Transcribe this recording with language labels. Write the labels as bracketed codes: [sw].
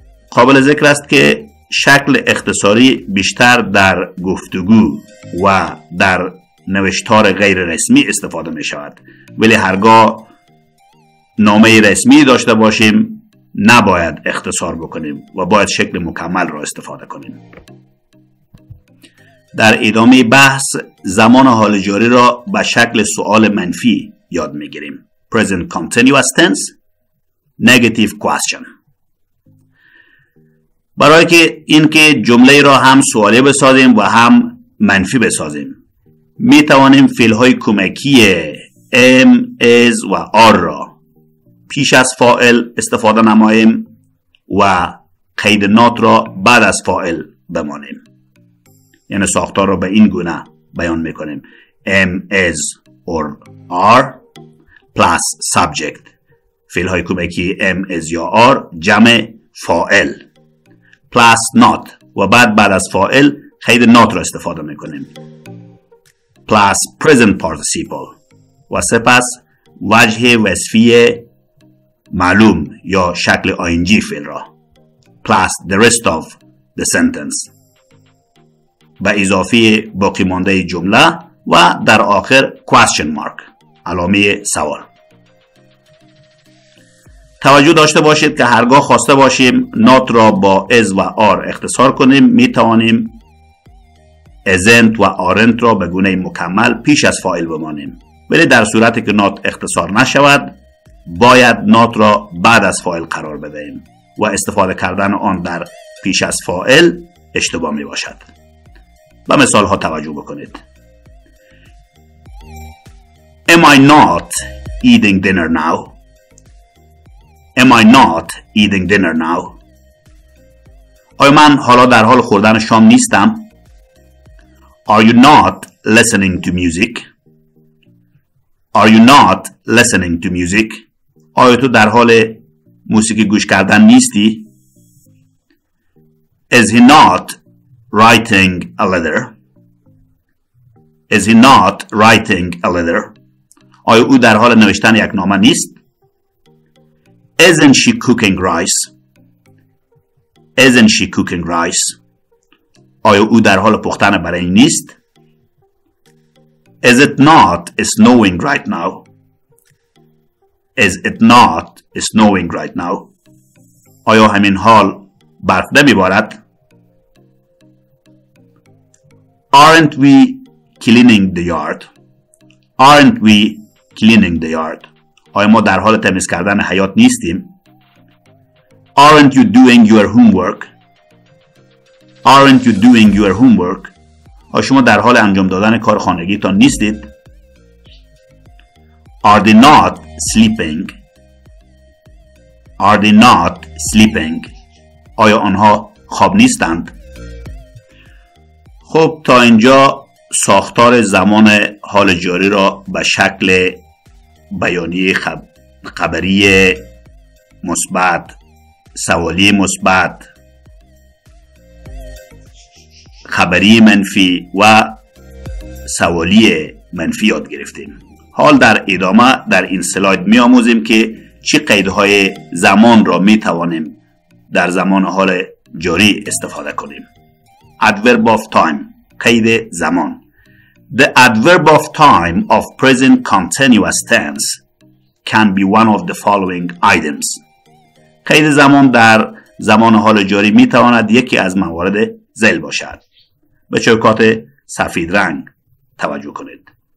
[fa] قابل ذکر است که شکل اختصاری بیشتر در گفتگو و در نوشتار غیر رسمی استفاده می شود، ولی هرگاه نامه رسمی داشته باشیم نباید اختصار بکنیم و باید شکل مکمل را استفاده کنیم. در ادامه بحث زمان حال جاری را به شکل سوال منفی یاد می گیریم. [en] Present continuous tense, negative question. [fa] برای که اینکه جمله را هم سوالی بسازیم و هم منفی بسازیم می توانیم فعل های کمکی am, is و are را پیش از فاعل استفاده نماییم و قید not را بعد از فاعل بمانیم. یعنی ساختار را به این گونه بیان میکنیم. [en] am, is, or are plus subject. [fa] فعل های کمکی am, is یا are جمع فاعل plus not و بعد از فاعل خیلی not را استفاده میکنیم. [en] plus present participle [fa] و سپس وجه وصفی معلوم یا شکل ing فعل را [en] plus the rest of the sentence [fa] و اضافه باقی مانده جمله و در آخر [en] question mark [fa] علامه سوال. توجه داشته باشید که هرگاه خواسته باشیم not را با is و are اختصار کنیم می توانیم isn't و aren't را به گونه مکمل پیش از فاعل بمانیم، ولی در صورتی که not اختصار نشود باید not را بعد از فاعل قرار بدهیم و استفاده کردن آن در پیش از فاعل اشتباه می باشد. به مثال ها توجه بکنید. [en] Am I not eating dinner now? Am I not eating dinner now? [fa] آیا من حالا در حال خوردن شام نیستم؟ [en] Are you not listening to music? Are you not listening to music? [fa] آیا تو در حال موسیقی گوش کردن نیستی؟ [en] Is he not writing a letter? Is he not writing a letter? [fa] آیا او در حال نوشتن یک نامه نیست؟ [en] Isn't she cooking rice? Isn't she cooking rice? [fa] آیا او در حال پختن برنج نیست؟ [en] Is it not snowing right now? Is it not snowing right now? [fa] آیا همین حال برف نمی‌بارد؟ [en] Aren't we cleaning the yard? Aren't we cleaning the yard? [fa] آیا ما در حال تمیز کردن حیاط نیستیم؟ [en] Aren't you doing your homework? Aren't you doing your homework? [fa] آیا شما در حال انجام دادن کار خانگیتان نیستید؟ [en] Are they not sleeping? Are they not sleeping? [fa] آیا آنها خواب نیستند؟ خب تا اینجا ساختار زمان حال جاری را به شکل بیانی خبری مثبت، سوالی مثبت، خبری منفی و سوالی منفی یاد گرفتیم. حال در ادامه در این سلاید می آموزیم که چه قیدهای زمان را می توانیم در زمان حال جاری استفاده کنیم. [en] Adverb of time، [fa] قید زمان. [en] The adverb of time of present continuous tense can be one of the following items. [fa] قید زمان در زمان حال جاری می تواند یکی از موارد ذیل باشد. به چوکات سفید رنگ توجه کنید.